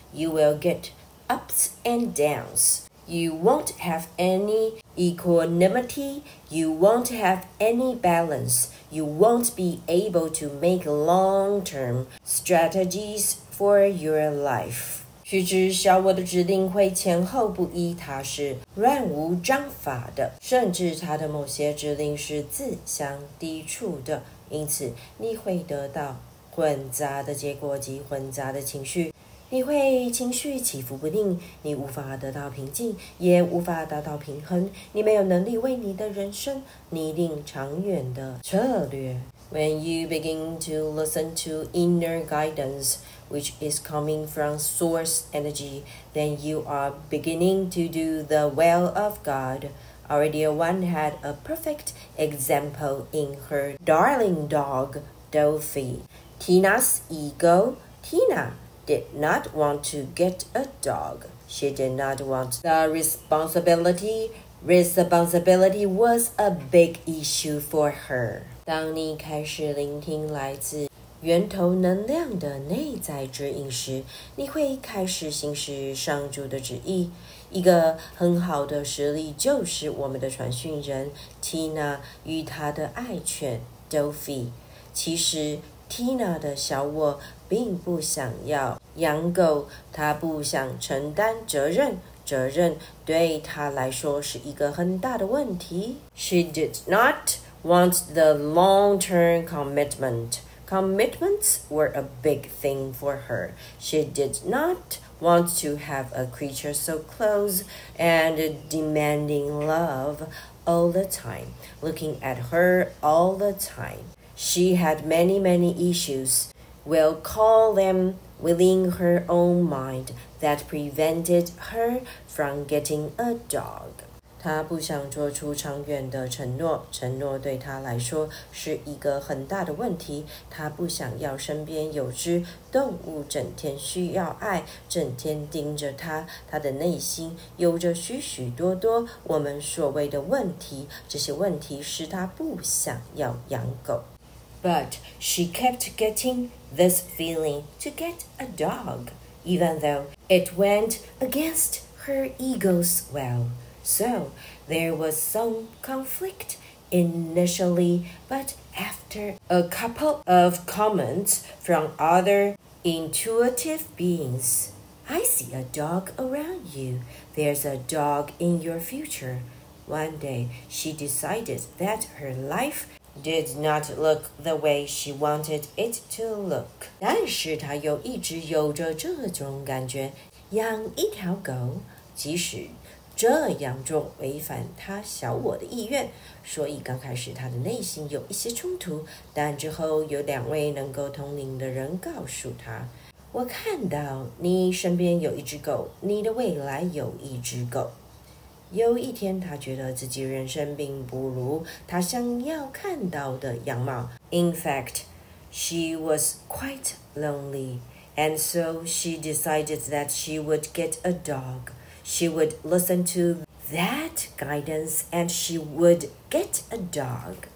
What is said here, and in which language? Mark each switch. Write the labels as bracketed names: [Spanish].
[English] You will get ups and downs. You won't have any equanimity, you won't have any balance, you won't be able to make long-term strategies for your life. [Chinese] 须知小我的指令会前后不一，它是乱无章法的，甚至它的某些指令是自相抵触的，因此你会得到混杂的结果及混杂的情绪。你会情绪起伏不定，你无法得到平静，也无法达到平衡，你没有能力为你的人生拟定长远的策略。 [English] When you begin to listen to inner guidance, which is coming from source energy, then you are beginning to do the will of God. Our dear one had a perfect example in her darling dog, Dolphy. Tina's ego, Tina did not want to get a dog. She did not want the responsibility. Responsibility was a big issue for her. [Chinese] 当你开始聆听来自源头能量的内在指引时，你会开始行使上主的旨意。一个很好的实例就是我们的传讯人 Tina 与她的爱犬 Dolphy。其实 Tina 的小我并不想要养狗，他不想承担责任，责任对他来说是一个很大的问题。 [English] She did not want the long-term commitment. Commitments were a big thing for her. She did not want to have a creature so close and demanding love all the time, looking at her all the time. She had many, many issues. We'll call them within her own mind. That prevented her from getting a dog. [Chinese] 她不想做出长远的承诺，承诺对她来说是一个很大的问题。她不想要身边有只动物整天需要爱，整天盯着她。她的内心有着许许多多我们所谓的问题，这些问题使她不想要养狗。 [English] But she kept getting this feeling to get a dog. Even though it went against her ego's will. So there was some conflict initially, but after a couple of comments from other intuitive beings, I see a dog around you. There's a dog in your future. One day, she decided that her life did not look the way she wanted it to look. [Chinese] 但是她又一直有着这种感觉，养一条狗，即使这样做违反她小我的意愿，所以刚开始她的内心有一些冲突，但之后有两位能够通灵的人告诉她，我看到你身边有一只狗，你的未来有一只狗。有一天他觉得自己人生并不如他想要看到的样貌。 [English] In fact, she was quite lonely, and so she decided that she would get a dog. She would listen to that guidance, and she would get a dog.